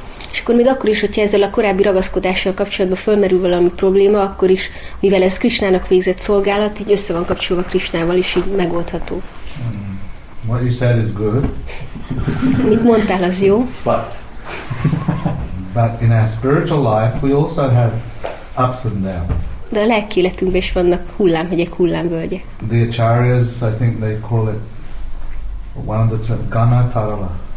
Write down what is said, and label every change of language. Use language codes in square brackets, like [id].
[hu] És akkor még akkor is, hogyha ezzel a korábbi ragaszkodással kapcsolatban fölmerül valami probléma, akkor is, mivel ez Krishnának végzett szolgálat, így össze van kapcsolva Krishnával, és így megoldható. [en] What you said is good. [hu] Mit mondtál, az jó. [en] But in our spiritual life, we also have ups and downs. [hu] De a lelki életünkben is vannak hullámhegyek, hullámvölgyek. [en] The acharyas, I think they call it one of the term, gana tarala.